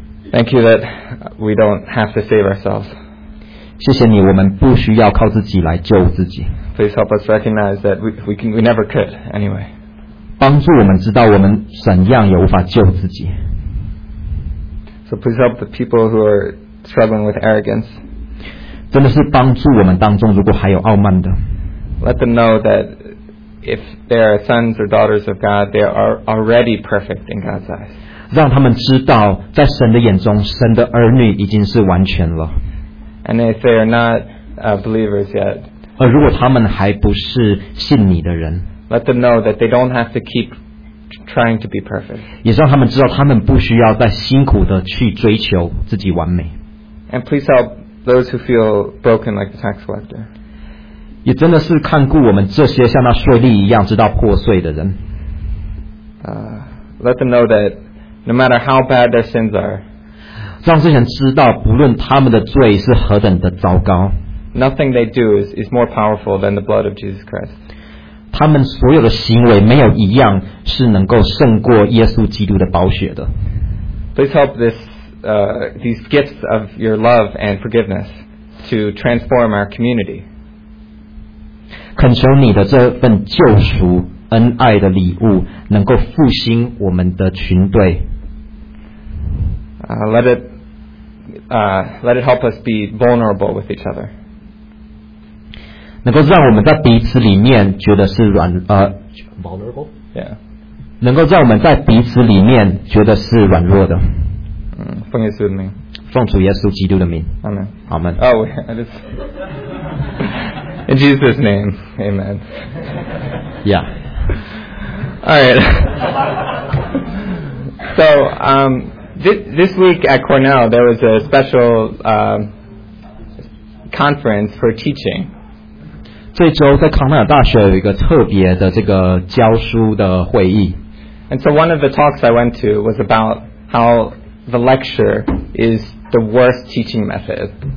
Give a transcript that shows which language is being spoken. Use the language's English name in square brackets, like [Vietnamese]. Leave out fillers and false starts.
[English] Thank you that we don't have to save ourselves. [Chinese] 谢谢你，我们不需要靠自己来救自己。 [English] Please help us recognize that we never could anyway. [Chinese] 帮助我们知道我们怎样也无法救自己。 [English] So please help the people who are struggling with arrogance. [Chinese] 真的是帮助我们当中如果还有傲慢的。 [English] Let them know that if they are sons or daughters of God, they are already perfect in God's eyes. [Chinese] 让他们知道在神的眼中，神的儿女已经是完全了。 [English] And if they are not believers yet. [Chinese] 而如果他们还不是信你的人， [English] Let them know that they don't have to keep trying to be perfect. [Chinese] 也让他们知道他们不需要再辛苦的去追求自己完美。 [English] And please help those who feel broken like the tax collector. [Chinese] 也真的是看顾我们这些像那税吏一样知道破碎的人。 [English] Let them know that no matter how bad their sins are, [Chinese] 让这些人知道不论他们的罪是何等的糟糕， [English] Nothing they do is more powerful than the blood of Jesus Christ. [Chinese] 他们所有的行为没有一样是能够胜过耶稣基督的宝血的。 [English] Please help these gifts of your love and forgiveness to transform our community. [Chinese] 恳求你的这份救赎恩爱的礼物能够复兴我们的群队。 [English] Let it help us be vulnerable with each other. [Chinese] 能够让我们在彼此里面觉得是软 [English] vulnerable. Yeah. [Chinese] 能够让我们在彼此里面觉得是软弱的。奉耶稣的名。奉主耶稣基督的名。 [English] Amen. [Chinese] 好吗 [English] ？Oh, it's in Jesus' name. Amen. Yeah. All right. So, this week at Cornell, there was a special conference for teaching. [Chinese] 这周在康奈尔大学有一个特别的这个教书的会议。 [English] And so one of the talks I went to was about how the lecture is the worst teaching method.